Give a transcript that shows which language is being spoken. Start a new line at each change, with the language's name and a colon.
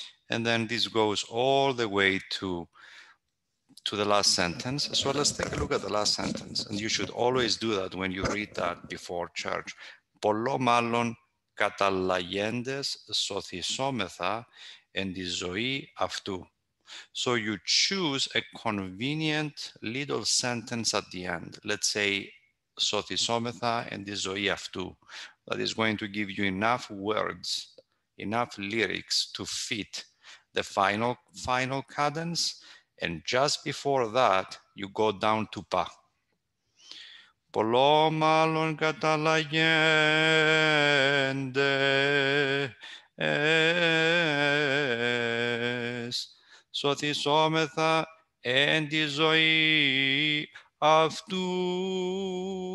English: And then this goes all the way to the last sentence. So let's take a look at the last sentence. And you should always do that when you read that before church.
Greek: Πολλό μάλλον καταλαγέντες σωθισόμεθα εν τη ζωή αυτού.
English: So you choose a convenient little sentence at the end. Let's say
Greek: σωθισόμεθα εν τη ζωή αυτού.
English: That is going to give you enough words, enough lyrics to fit the final cadence. And just before that, you go down to pa.
Greek: Πολλό μάλλον καταλαγέντες σωθισόμεθα εν τη ζωή αυτού.